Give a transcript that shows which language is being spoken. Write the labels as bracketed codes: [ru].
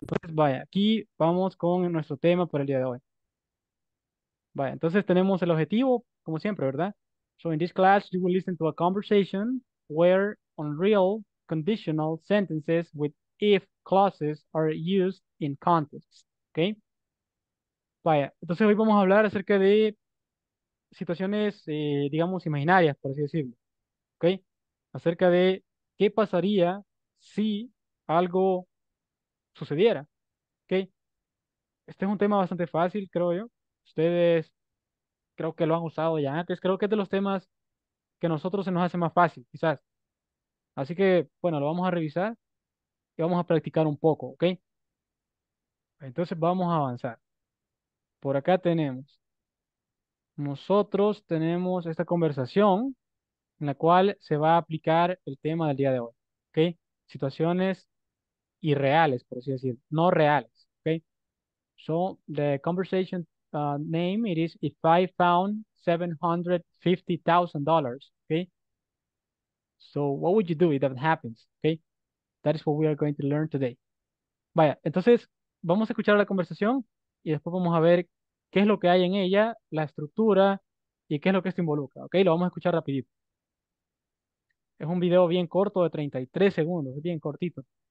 [es] Entonces, vaya, aquí vamos con nuestro tema para el día de hoy. Vaya, entonces tenemos el objetivo, como siempre, ¿verdad? [en] So, in this class, you will listen to a conversation where unreal conditional sentences with if clauses are used in context. Okay. [es] Vaya, entonces hoy vamos a hablar acerca de situaciones, digamos, imaginarias, por así decirlo. ¿Ok? Acerca de qué pasaría si algo sucediera. ¿Ok? Este es un tema bastante fácil, creo yo. Ustedes creo que lo han usado ya antes. Creo que es de los temas que a nosotros se nos hace más fácil, quizás. Así que, bueno, lo vamos a revisar y vamos a practicar un poco. ¿Ok? Entonces vamos a avanzar. Por acá tenemos. Nosotros tenemos esta conversación en la cual se va a aplicar el tema del día de hoy. ¿Ok? Situaciones irreales, por así decir, no reales. ¿Ok? [en] So, the conversation name, it is If I found $750,000. ¿Ok? So, what would you do if that happens? ¿Ok? That is what we are going to learn today. [es] Vaya, entonces vamos a escuchar la conversación y después vamos a ver qué es lo que hay en ella, la estructura y qué es lo que esto involucra. Ok, lo vamos a escuchar rapidito. Es un video bien corto de 33 segundos, es bien cortito.